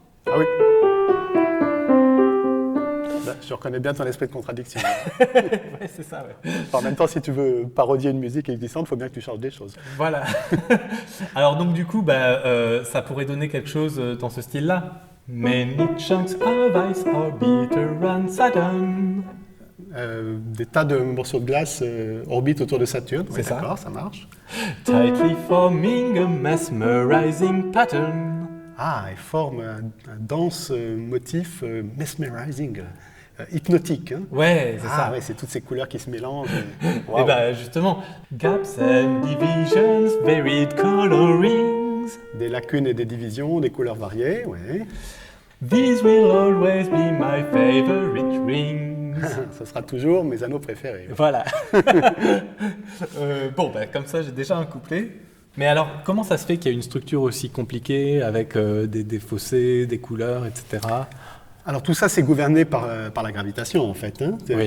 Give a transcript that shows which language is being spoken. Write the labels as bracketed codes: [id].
[fr] Ah oui. Bah, je reconnais bien ton esprit de contradiction. Oui, c'est ça, ouais. Enfin, en même temps, si tu veux parodier une musique existante, il faut bien que tu changes des choses. Voilà. Alors, donc, du coup, bah, ça pourrait donner quelque chose dans ce style-là. [en] Many chunks of ice are bitter and sudden. [fr] Des tas de morceaux de glace orbitent autour de Saturne. C'est oui, ça. D'accord, ça marche. [en] Tightly forming a mesmerizing pattern. [fr] Ah, il forme un dense motif mesmerizing, hypnotique. Hein. Ouais, c'est ah, ça. Ah ouais, c'est toutes ces couleurs qui se mélangent. Wow. Et ben justement, [en] gaps and divisions, varied coloring. [fr] Des lacunes et des divisions, des couleurs variées, oui. [en] These will always be my favorite rings. [fr] Ça sera toujours mes anneaux préférés. Ouais. Voilà. bon, ben, comme ça, j'ai déjà un couplet. Mais alors, comment ça se fait qu'il y a une structure aussi compliquée avec des fossés, des couleurs, etc. Alors, tout ça, c'est gouverné par la gravitation, en fait. Hein. C'est oui.